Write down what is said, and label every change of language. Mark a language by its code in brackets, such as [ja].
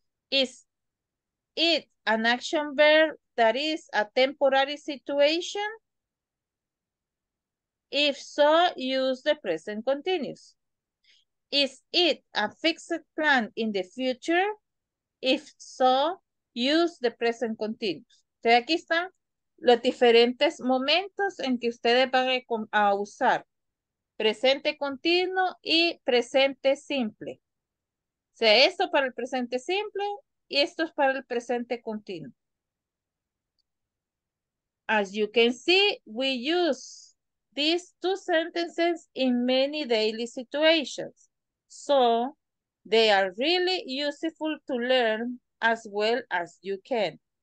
[en] Is it an action verb that is a temporary situation? If so, use the present continuous. Is it a fixed plan in the future? If so, use the present continuous. [es] Entonces aquí están los diferentes momentos en que ustedes van a usar presente continuo y presente simple. O sea, esto para el presente simple y esto es para el presente continuo. [en] As you can see, we use these two sentences in many daily situations. So, they are really useful to learn as well as you can.